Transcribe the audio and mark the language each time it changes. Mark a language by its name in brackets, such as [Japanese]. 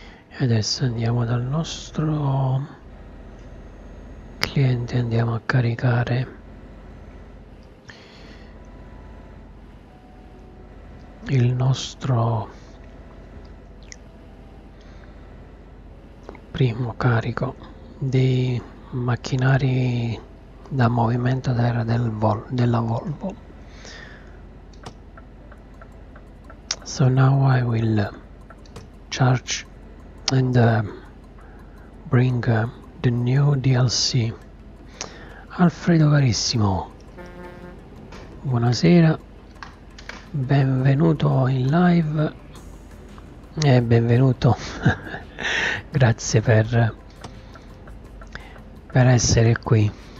[Italian] E adesso andiamo dal nostro cliente, andiamo a caricare il nostro primo carico di macchinari da movimento d'aria della Volvo. [English] So now I will charge and bring the new DLC. [Italian] Alfredo Carissimo, buonasera, benvenuto in live e benvenuto. Grazie per essere qui.